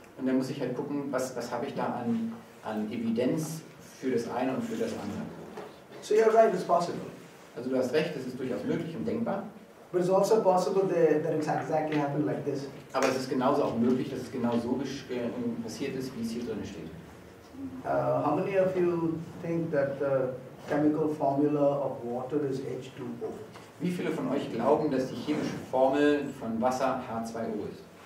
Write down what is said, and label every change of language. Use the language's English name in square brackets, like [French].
[German] Und dann muss ich halt gucken, was habe ich da an Evidenz für das eine und für das andere. [English] So you're right, it's possible. [German] Also du hast recht, es ist durchaus möglich und denkbar. [English] But it's also possible that it's exactly happened like this. [German] Aber es ist genauso auch möglich, dass es genau so passiert ist, wie es hier drin steht. [English] How many of you think that the chemical formula of water is H2O? [German] Wie viele von euch glauben, dass die chemische Formel von Wasser H2O ist?